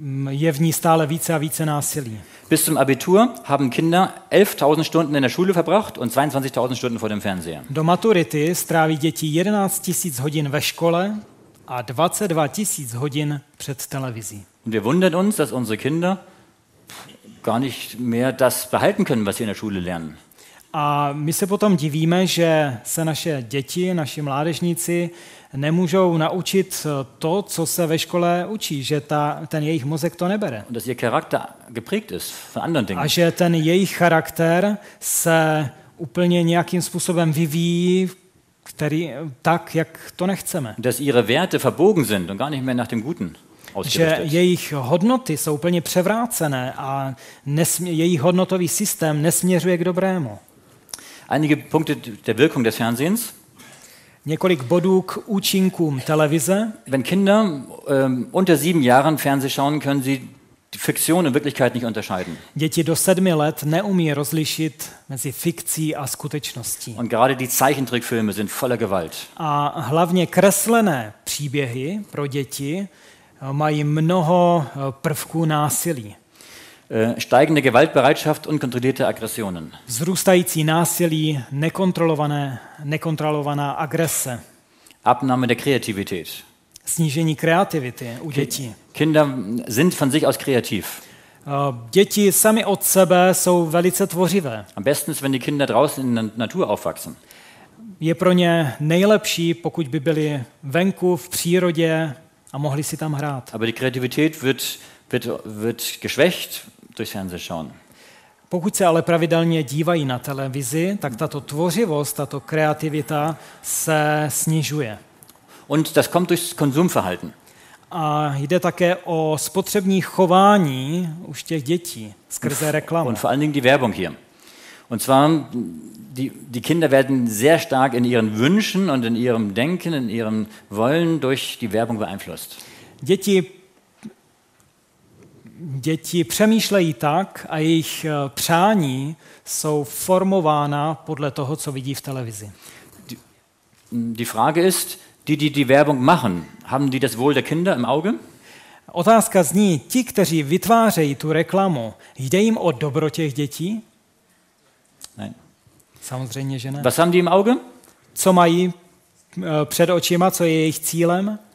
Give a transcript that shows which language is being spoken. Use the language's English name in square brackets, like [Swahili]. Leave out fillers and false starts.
[Czech] Je v ní stále více a více násilí. [German] Bis zum Abitur haben Kinder 11.000 Stunden in der Schule verbracht und 22.000 Stunden vor dem Fernseher. [Czech] Do maturity stráví děti 11.000 hodin ve škole a 22.000 hodin před televizí. [German] Und wir wundern uns, dass unsere Kinder gar nicht mehr das behalten können, was sie in der Schule lernen. [Czech] A my se potom divíme, že se naše děti, naši mládežníci nemůžou naučit to, co se ve škole učí, že ten jejich mozek to nebere. [German] Und dass ihr Charakter geprägt ist von anderen Dingen. [Czech] A že ten jejich charakter se úplně nějakým způsobem vyvíjí, který tak, jak to nechceme. [German] Dass ihre Werte verbogen sind und gar nicht mehr nach dem Guten. [Czech] Že jejich hodnoty jsou úplně převrácené a jejich hodnotový systém nesměřuje k dobrému. [German] Einige Punkte der Wirkung des Fernsehens. [Czech] Několik bodů k účinkům televize. [German] Wenn Kinder unter 7 Jahren Fernsehen schauen, können sie die Fiktion und Wirklichkeit nicht unterscheiden. [Czech] Děti do 7 let neumí rozlišit mezi fikcí a skutečností. [German] Und gerade die Zeichentrickfilme sind voller Gewalt. [Czech] A hlavně kreslené příběhy pro děti mají mnoho prvků násilí. [German] Steigende Gewaltbereitschaft und kontrollierte Aggressionen. [Czech] Vzrůstající násilí, nekontrolovaná agrese. [German] Abnahme der Kreativität. [Czech] Snížení kreativity u dětí. [German] Kinder sind von sich aus kreativ. [Czech] Děti sami od sebe jsou velice tvořivé. [German] Am besten ist, wenn die Kinder draußen in der Natur aufwachsen. [Czech] Je pro ně nejlepší, pokud by byli venku v přírodě a mohli si tam hrát. [German] Aber die Kreativität wird geschwächt durch Fernsehschauen. [Czech] Pokud se ale pravidelně dívají na televizi, tak tato tvořivost, tato kreativita se snižuje. [German] Und das kommt durch Konsumverhalten. [Czech] A jde také o spotřební chování už těch dětí skrze reklamu. [German] Und vor allen Dingen die Werbung hier. Und zwar die Kinder werden sehr stark in ihren Wünschen und in ihrem Denken, in ihrem Wollen durch die Werbung beeinflusst. [Czech] Děti děti přemýšlejí tak a jejich přání jsou formována podle toho, co vidí v televizi. [German] Die Frage ist, die Werbung machen, haben die das Wohl der Kinder im Auge? [Czech] Otázka zní, ti, kteří vytvářejí tu reklamu, jde jim o dobro těch dětí? [German] Nein. [Czech] Samozřejmě, že ne. [German] Was haben die im Auge? [Czech] Co mají před očima, co je jejich cílem?